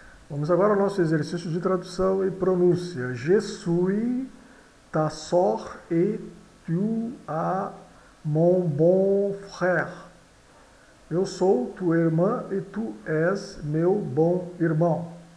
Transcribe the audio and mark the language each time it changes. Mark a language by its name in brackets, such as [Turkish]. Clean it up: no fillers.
[Portuguese] Vamos agora ao nosso exercício de tradução e pronúncia. [French] Je suis ta sœur et tu as mon bon frère. [Portuguese] Eu sou tua irmã e tu és meu bom irmão.